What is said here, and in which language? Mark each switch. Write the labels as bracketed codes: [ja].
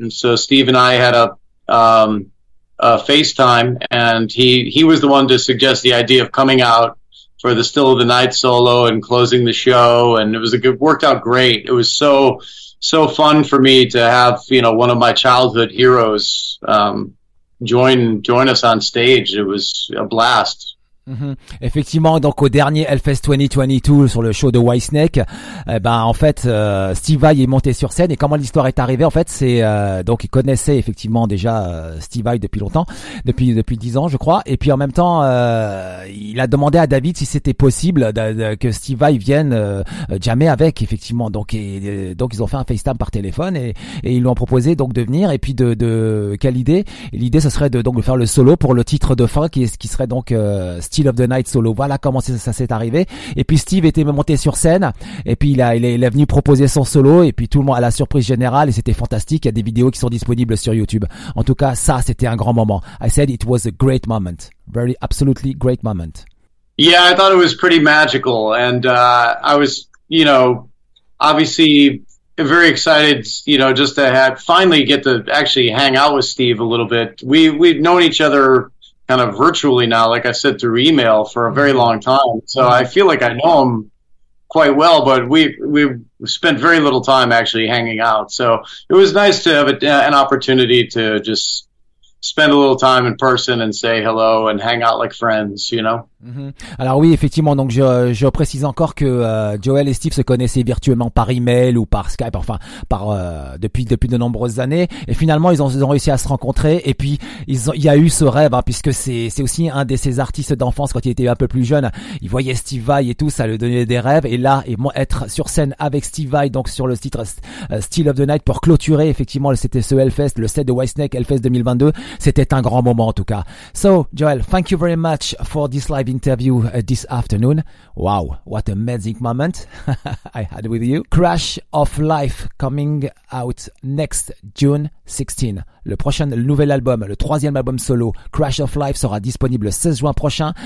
[en] And so Steve and I had a FaceTime, and he was the one to suggest the idea of coming out for the Still of the Night solo and closing the show. And it was worked out great. It was so, so fun for me to have, you know, one of my childhood heroes, join us on stage. It was a blast. [fr] Effectivement, donc au dernier Hellfest 2022 sur le show de Whitesnake, Steve Vai est monté sur scène. Et comment l'histoire est arrivée, en fait, c'est donc il connaissait effectivement déjà Steve Vai depuis longtemps, depuis 10 ans je crois, et puis en même temps il a demandé à David si c'était possible que Steve Vai vienne jammer avec, effectivement. Donc ils ont fait un FaceTime par téléphone et ils lui ont proposé donc de venir. Et puis de quelle idée, l'idée ce serait de faire le solo pour le titre de fin qui serait donc Still of the Night solo. Voilà comment ça s'est arrivé. Et puis Steve était monté sur scène, et puis il est venu proposer son solo, et puis tout le monde à la surprise générale, et c'était fantastique. Il y a des vidéos qui sont disponibles sur YouTube. En tout cas, ça c'était un grand moment. I said it was a great moment, very absolutely great moment. Yeah, I thought it was pretty magical, and I was, you know, obviously very excited, you know, just to have finally get to actually hang out with Steve a little bit. We've known each other kind of virtually now, like I said, through email for a very long time. So I feel like I know him quite well, but we've spent very little time actually hanging out. So it was nice to have an opportunity to just spend a little time in person and say hello and hang out like friends, you know? Alors oui, effectivement, donc je précise encore que Joel et Steve se connaissaient virtuellement par email ou par Skype, enfin par depuis de nombreuses années, et finalement ils ont réussi à se rencontrer. Et puis il y a eu ce rêve, hein, puisque c'est aussi un de ses artistes d'enfance. Quand il était un peu plus jeune, il voyait Steve Vai et tout, ça lui donnait des rêves. Et là, et moi, être sur scène avec Steve Vai, donc sur le titre Still of the Night, pour clôturer effectivement ce Hellfest, le set de Whitesnake Hellfest 2022, c'était un grand moment en tout cas. [en] So Joel, thank you very much for this live interview this afternoon. Wow, what an amazing moment I had with you. Crash of Life coming out next June 16. [fr] Le nouvel album, le troisième album solo, Crash of Life, sera disponible le 16 juin prochain.